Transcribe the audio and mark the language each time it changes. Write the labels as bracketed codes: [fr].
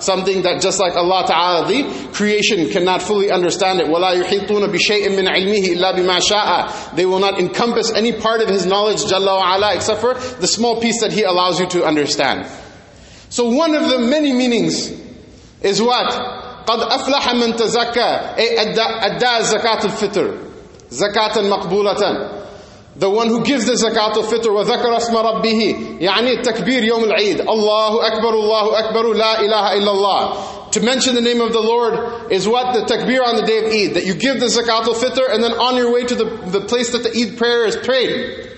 [en] Something that just like Allah Ta'ala, the creation cannot fully understand it. [ar] وَلَا يُحِيطُونَ بِشَيْءٍ مِّنْ عِلْمِهِ إِلَّا بِمَا شَاءَ. [en] They will not encompass any part of his knowledge, Jalla wa'ala, except for the small piece that he allows you to understand. So one of the many meanings is what? [ar] قَدْ أَفْلَحَ مَنْ تَزَكَّى أي أَدَّى زَكَاةُ الْفِطْرِ زَكَاةً مَقْبُولَةً. [en] The one who gives the zakat of fitr, [ar] وَذَكَرَ اسْمَ رَبِّهِ يعني التكبير يوم العيد. Allahu Akbar, Allahu Akbar, لا إله إلا الله. [en] To mention the name of the Lord is what? The takbir on the day of Eid. That you give the zakat of fitr and then on your way to the place that the Eid prayer is prayed.